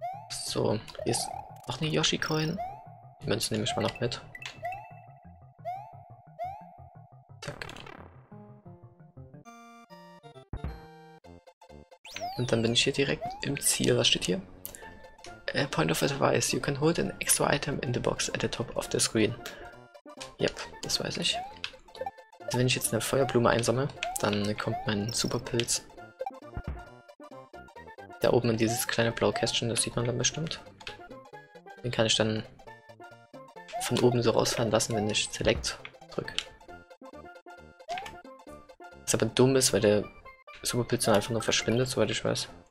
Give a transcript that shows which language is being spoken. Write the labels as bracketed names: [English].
[German] So, hier ist noch eine Yoshi-Coin. Die Münze nehme ich mal noch mit. Zack. Und dann bin ich hier direkt im Ziel. Was steht hier? [English] A point of advice: You can hold an extra item in the box at the top of the screen. [German] Yep, das weiß ich. Wenn ich jetzt eine Feuerblume einsammle, dann kommt mein Superpilz da oben in dieses kleine blaue Kästchen, das sieht man dann bestimmt. Den kann ich dann von oben so rausfallen lassen, wenn ich Select drücke. Was aber dumm ist, weil der Superpilz dann einfach nur verschwindet, soweit ich weiß.